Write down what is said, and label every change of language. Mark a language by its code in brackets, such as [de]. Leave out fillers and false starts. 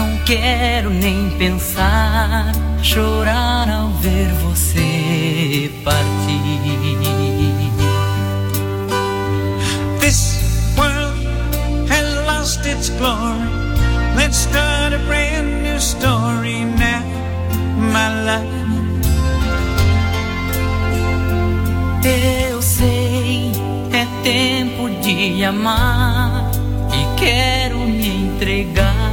[pt] Quero nem pensar, chorar ao ver você partir. [en] This world has lost its glory. Let's start a brand new story now, my love. [pt] Eu sei, é tempo de amar e quero me entregar.